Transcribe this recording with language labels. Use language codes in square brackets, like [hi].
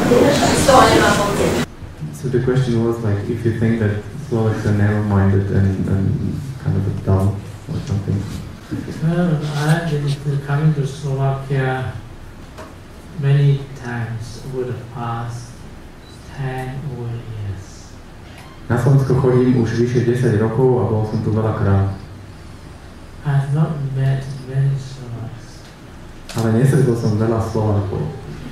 [en] So the question was like, if you think that Slovaks are narrow-minded and kind of a dumb or something. Well, I've been coming to Slovakia many times over the past 10 over years. [sk] Na Slovensko chodím už vyše 10 rokov a bol som tu veľakrát. [en] I've not met many Slovaks. [sk] Ale nesedol som veľa Slovakov.